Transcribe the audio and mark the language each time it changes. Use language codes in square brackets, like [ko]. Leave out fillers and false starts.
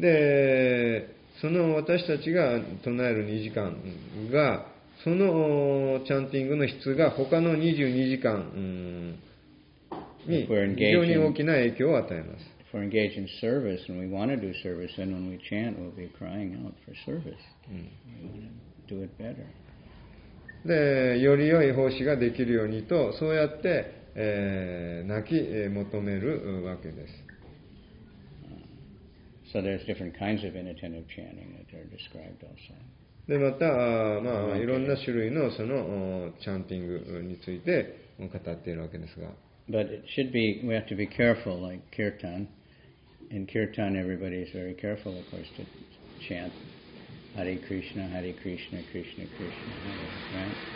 [ja] で、その私たちが唱える2時間が、そのチャンティングの質が他の22時間に非常に大きな影響を与えます。 [en] If we're engaged in service and we want to do service, then when we chant, we'll be crying out for service. We want to do it better. [ja] で、より良い奉仕ができるようにと、そうやって、泣き求めるわけです。 [en] So there's different kinds of inattentive chanting that are described also. [ja] で、また、まあ、いろんな種類のそのチャンティングについて語っているわけですが。 [en] But it should be, we have to be careful, like Kirtan. In Kirtan, everybody is very careful, of course, to chant Hare Krishna, Hare Krishna, Krishna Krishna, right?